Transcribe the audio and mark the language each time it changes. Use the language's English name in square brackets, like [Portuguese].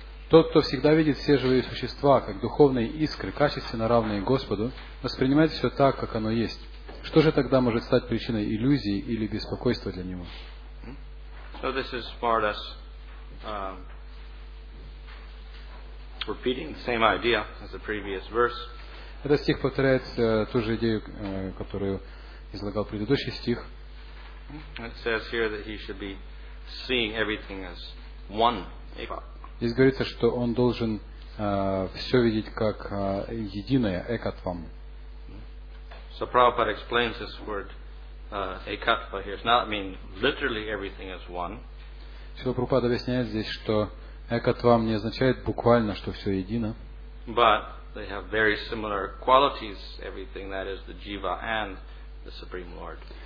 [Russian] Тот, кто всегда видит все живые существа как духовные искры, качественно равные Господу, воспринимает все так, как оно есть. Что же тогда может стать причиной иллюзии или беспокойства для него? [English] So this is more or less repeating the same idea as the previous verse. [Russian] Этот стих повторяет ту же идею, которую излагал предыдущий стих. [English] It says here that he should be seeing everything as one. [Russian] Здесь говорится, что он должен все видеть как единое, экатвам. [English] So Prabhupada explains this word ekatva here. It's not mean literally everything as one. [Russian] Шрила Прабхупада объясняет здесь, что экатвам не означает буквально, что все едино. [English] But they have very similar qualities, everything, that is the jiva and the Supreme Lord.